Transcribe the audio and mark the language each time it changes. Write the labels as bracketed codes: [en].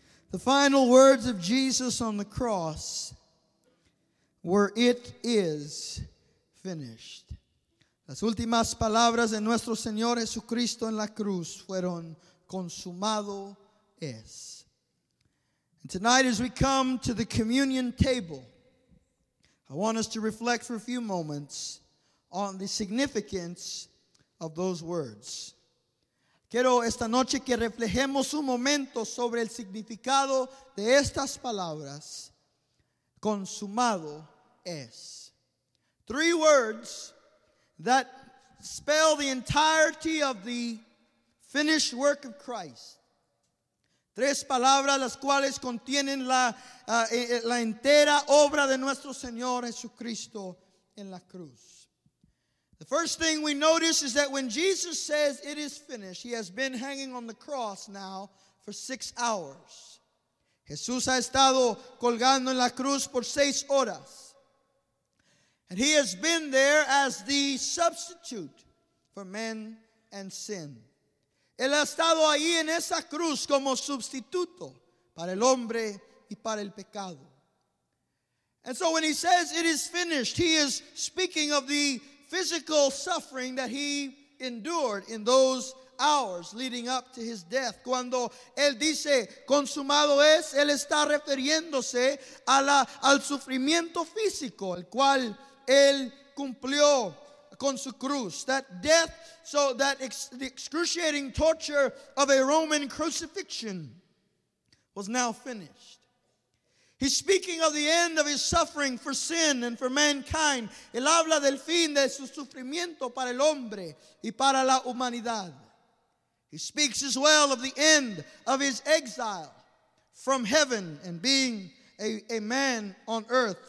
[en] The final words of Jesus on the cross were, "It is finished." [es] Las últimas palabras de nuestro Señor Jesucristo en la cruz fueron, "Consumado es." [en] And tonight, as we come to the communion table, I want us to reflect for a few moments on the significance of those words. [es] Quiero esta noche que reflejemos un momento sobre el significado de estas palabras. Consumado es. [en] Three words that spell the entirety of the finished work of Christ. [es] Tres palabras las cuales contienen la entera obra de nuestro Señor Jesucristo en la cruz. [en] The first thing we notice is that when Jesus says it is finished, he has been hanging on the cross now for 6 hours. [es] Jesús ha estado colgando en la cruz por 6 horas. [en] And he has been there as the substitute for men and sin. [es] Él ha estado ahí en esa cruz como sustituto para el hombre y para el pecado. [en] And so when he says it is finished, he is speaking of the physical suffering that he endured in those hours leading up to his death. [es] Cuando él dice consumado es, él está refiriéndose al sufrimiento físico el cual él cumplió con su cruz. [en] That death, so that the excruciating torture of a Roman crucifixion was now finished. He's speaking of the end of his suffering for sin and for mankind. [es] Él habla del fin de su sufrimiento para el hombre y para la humanidad. [en] He speaks as well of the end of his exile from heaven and being a man on earth.